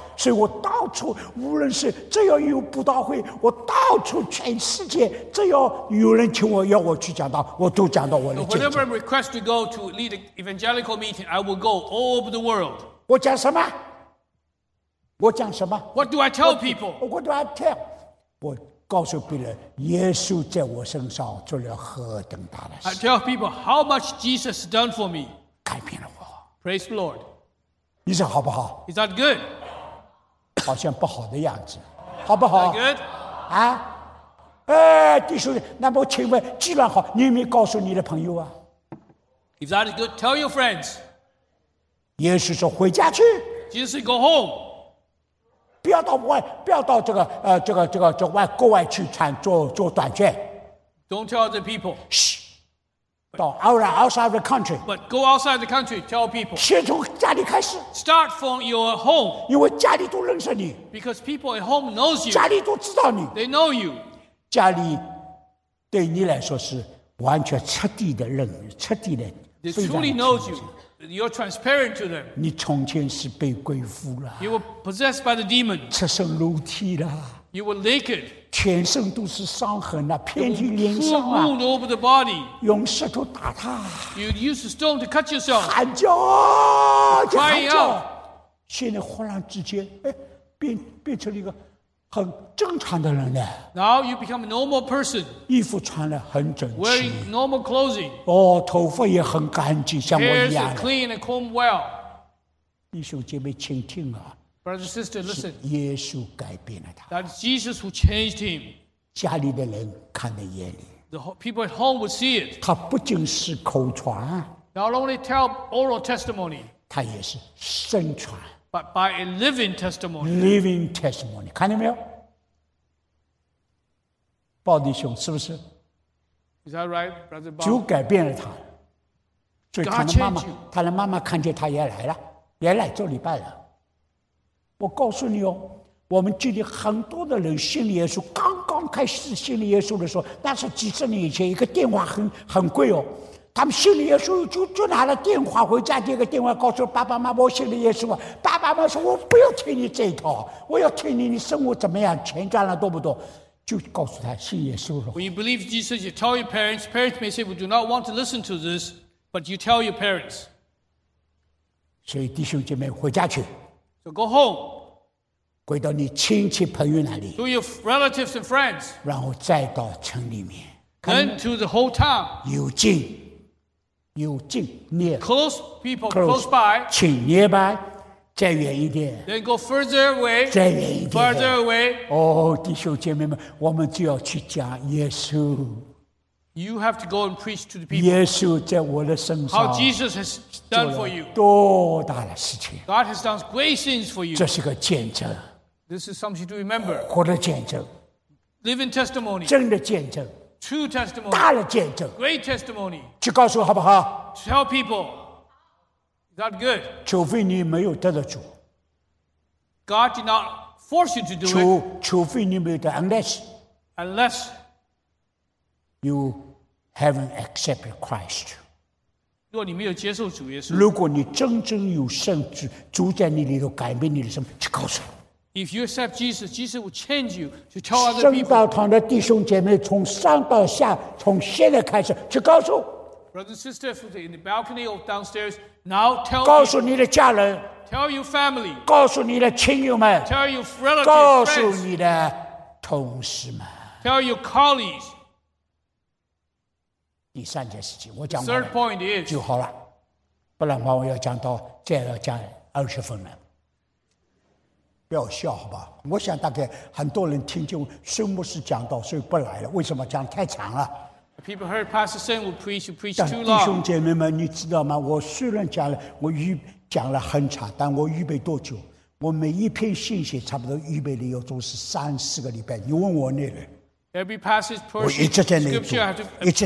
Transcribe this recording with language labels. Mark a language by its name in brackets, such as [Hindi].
[Chinese] 所以我到处，无论是只要有布道会，我到处全世界，只要有人请我要我去讲道，我都讲到我的见证。 [English] Whenever I'm requested to go to lead an evangelical meeting, I will go all over the world. [Chinese] 我讲什么？我讲什么 [English] ？What do I tell people? What do I tell? [Chinese] 我告诉别人，耶稣在我身上做了何等大的事。 [English] I tell people how much Jesus has done for me. [Chinese] 改变了我。 [English] Praise the Lord. [Chinese] 你说好不好 [English] ？Is that good？ [Chinese] 好像不好的样子，好不好 [English] ？Is that good？ [Chinese] 啊，哎，弟兄，那么请问，既然好，你有没有告诉你的朋友啊 [English] ？Is that good？ Tell your friends。 [Chinese] 耶稣说：“回家去。” [English] Jesus said, "Go home." [Chinese] 不要到外，不要到这个外国外去传做短卷。 [English] Don't tell other people. 嘘。Outside the country. But go outside the country. Tell people. [Chinese] 先从家里开始。 [English] Start from your home. [Chinese] 因为家里都认识你。 [English] Because people at home knows you. [Chinese] 家里都知道你。 [English] They know you. [Chinese] 家里对你来说是完全彻底的认，彻底的。 [English] They truly knows you. You're transparent to them. [Chinese] 你从前是被鬼附了。 [English] You were possessed by the demon. [Chinese] 赤身裸体了。 [English] You were naked. [Chinese] 全身都是伤痕呐、啊，遍体鳞伤啊。 [English] Full over the body. [Chinese] 用石头打他。 [English] You used a stone to cut yourself. [Chinese] 喊叫，就喊叫。 [English] Out. [Chinese] 现在忽然之间，哎，变成了一个很正常的人了。 [English] Now you become a normal person. [Chinese] 衣服穿得很整齐。 [English] Wearing normal clothing. [Chinese] 哦，头发也很干净，像我一样。 [English] Hair is clean and combed well. [Chinese] 弟兄姐妹，请听啊。 [English] Brother, sister, listen. [Chinese] 是耶稣改变了他。 [English] That is Jesus who changed him. [Chinese] 家里的人看在眼里。 [English] The people at home would see it. [Chinese] 他不仅是口传。 [English] Not only tell oral testimony. [Chinese] 他也是身传。 [English] But by a living testimony. Living testimony. [Chinese] 看见没有？鲍弟兄，是不是 [English] ？Is that right, brother? [Chinese] 就改变了他。所以他的妈妈，他的妈妈看见他也来了，也来做礼拜了。我告诉你哦，我们这里很多的人信耶稣，刚刚开始信耶稣的时候，那是几十年以前，一个电话很贵哦。他们信耶稣就拿了电话回家，接个电话告诉爸爸妈妈我信了耶稣啊。爸爸妈妈说我不要听你这一套，我要听你生活怎么样，钱赚了多不多，就告诉他信耶稣了。 [English] When you believe Jesus, you tell your parents. Parents may say we do not want to listen to this, but you tell your parents. [Chinese] 所以弟兄姐妹回家去。 [English] So go home. [Chinese] 回到你亲戚朋友那里。 [English] To your relatives and friends. [Chinese] 然后再到城里面。 [English] Then to the whole town. [Chinese] 有近 near. [English] Close people, close by. [Chinese] 亲 nearby, 再远一点。 [English] Then go further away. [Chinese] 再远一点。 [English] Further away. [Chinese] 哦，弟兄姐妹们，我们就要去讲耶稣。 [English] You have to go and preach to the people. [Chinese] 耶稣在我的身上。 [English] How Jesus has done for you. [Chinese] 多大的事情。 [English] God has done great things for you. [Chinese] 这是个见证。 [English] This is something to remember. [Chinese] 活的见证。 [English] Living testimony. [Chinese] 真的见证。 [English] True testimony. [Chinese] 大的见证。 [English] Great testimony. [Chinese] 去告诉好不好？ [English] Tell people. Is that good? [Chinese] 除非你没有得到主。 [English] God did not force you to do it. [Chinese] 除非你没有得到 unless. [English] Unless. You haven't accepted Christ. [Chinese] 如果你没有接受主耶稣，如果你真正有圣主住在你里头改变你的生命，去告诉我。 [English] If you accept Jesus, Jesus will change you to tell other people. [Chinese] 圣道堂的弟兄姐妹，从上到下，从现在开始，去告诉。 [English] Brothers and sisters in the balcony or downstairs, now tell. [Chinese] 告诉你的家人。 [English] Tell your family. [Chinese] 告诉你的亲友们。 [English] Tell your relatives. [Chinese] 告诉你的同事们。 [English] Tell your colleagues. [Chinese] 第三件事情，我讲完 [English] 了 point is, [Chinese] 就好了，不然的话我要讲到再要讲二十分了。不要笑好吧？我想大概很多人听见孙牧师讲到，所以不来了。为什么讲太长了 [English] ？People heard Pastor Sen will preach. You preach too long. [Chinese] 弟兄姐妹们，你知道吗？我虽然讲了，我预讲了很长，但我预备多久？我每一篇信息差不多预备了有都是三四个礼拜。你问我那人。 [English] Every passage, portion, scripture, I have to